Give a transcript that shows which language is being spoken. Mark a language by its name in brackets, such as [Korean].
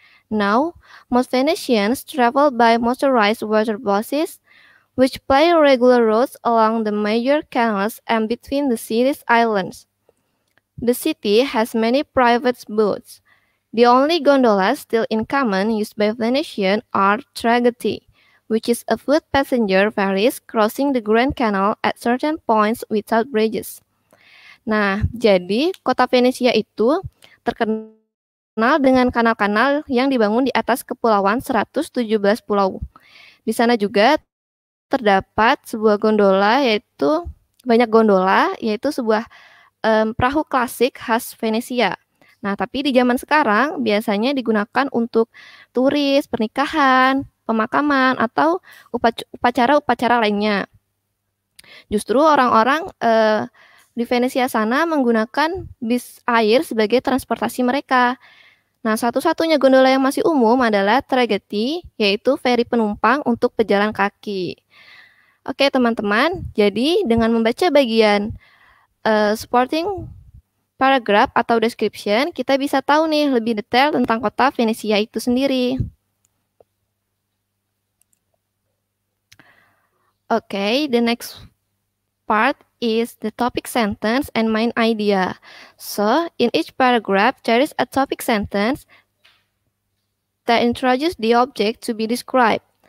[English] Now, most Venetians travel by motorized water buses, which play regular roads along the major canals and between the city's islands. The city has many private boats. The only gondolas still in common used by Venetians are traghetti, which is a foot passenger ferries crossing the Grand Canal at certain points without bridges. [Indonesian] Nah, jadi kota Venezia itu terkenal dengan kanal-kanal yang dibangun di atas kepulauan 117 pulau. Di sana juga terdapat sebuah gondola, yaitu banyak gondola, yaitu sebuah perahu klasik khas Venezia. Nah, tapi di zaman sekarang biasanya digunakan untuk turis, pernikahan, pemakaman, atau upacara-upacara lainnya. Justru orang-orang di Venezia sana menggunakan bis air sebagai transportasi mereka. Nah, satu-satunya gondola yang masih umum adalah traghetti, yaitu feri penumpang untuk pejalan kaki. Oke, teman-teman, jadi dengan membaca bagian supporting paragraph atau description, kita bisa tahu nih lebih detail tentang kota Venezia itu sendiri. [English] Okay, the next part is the topic sentence and main idea. So, in each paragraph, there is a topic sentence that introduces the object to be described.